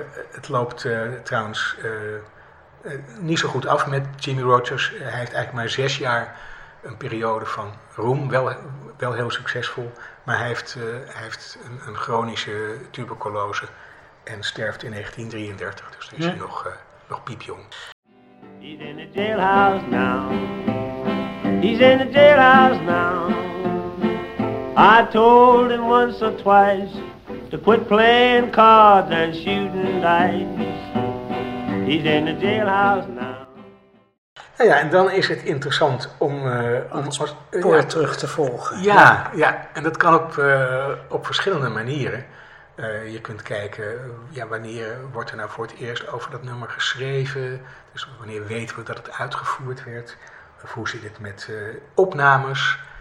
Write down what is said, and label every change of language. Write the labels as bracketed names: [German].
[Dutch] Het loopt trouwens niet zo goed af met Jimmy Rogers. Hij heeft eigenlijk maar 6 jaar een periode van roem, wel heel succesvol. Maar hij heeft een chronische tuberculose en sterft in 1933. Dus dan is hij nog piepjong. [English] He's in the jailhouse now. He's in the jailhouse now. I told him once or twice to quit playing cards and shooting dice. He's in the jailhouse now. [Dutch] Nou ja, en dan is het interessant om Het spoor terug te volgen. Ja, en dat kan op verschillende manieren. Je kunt kijken, wanneer wordt er nou voor het eerst over dat nummer geschreven? Dus wanneer weten we dat het uitgevoerd werd? Of hoe zit het met opnames?